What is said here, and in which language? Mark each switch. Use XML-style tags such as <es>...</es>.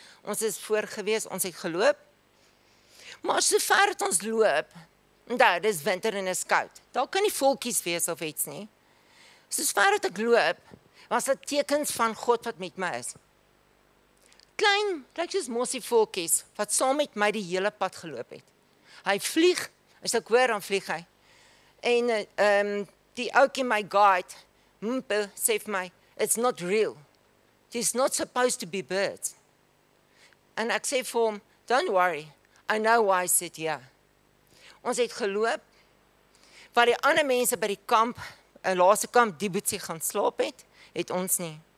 <af>Ons is voor gewees, ons het geloop. Maar so ver het ons loop. Nou, dis winter en is koud. Daar kan nie voeltjies wees of iets nie. So ver het ek loop, was dit tekens van God wat met my is. Klein, kyk soos mosie voeltjies, wat saam met my die hele pad geloop het. Hy vlieg, as ek hoor, dan vlieg hy. En die ouke, my guide, Mpe, sê vir my,</af> <en>it's not real. It is not supposed to be birds.</en> <af>En ek sê vir hom,</af> <en>don't worry, I know why I sit here.</en> <af>Ons het geloop, waar die ander mense by die kamp, die laaste kamp, die boetsie gaan slaap het, het ons nie.</af>